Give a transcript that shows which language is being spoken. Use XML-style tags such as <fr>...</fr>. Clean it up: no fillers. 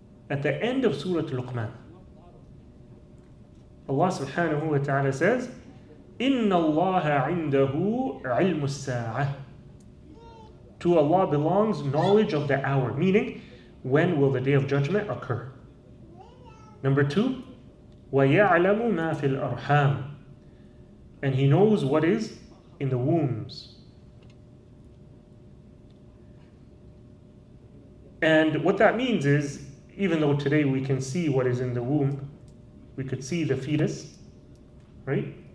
<en>At the end of Surah Luqman, Allah subhanahu wa ta'ala says,</en> <ar>إِنَّ اللَّهَ عِنْدَهُ عِلْمُ السَّاعَةِ.</ar> <en>To Allah belongs knowledge of the hour, meaning when will the Day of Judgment occur. Number two,</en> <ar>وَيَعْلَمُ مَا فِي الْأَرْحَامِ.</ar> <en>And He knows what is in the wombs. And what that means is, even though today we can see what is in the womb, we could see the fetus, right?</en>